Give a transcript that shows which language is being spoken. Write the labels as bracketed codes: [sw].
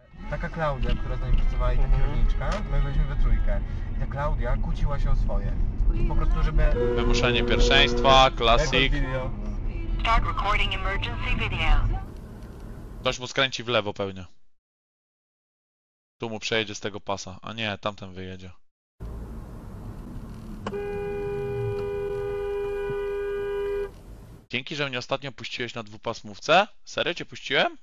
[pl] Taka Klaudia, która z nami pracowała i ta kierowniczka, my byliśmy we trójkę. I ta Klaudia kłóciła się o swoje. Po prostu, żeby... Wymuszenie pierwszeństwa, klasik. [en] Start recording emergency video. [pl] Ktoś mu skręci w lewo pewnie. Tu mu przejedzie z tego pasa, a nie, tamten wyjedzie. Dzięki, że mnie ostatnio puściłeś na dwupasmówce. Serio cię puściłem?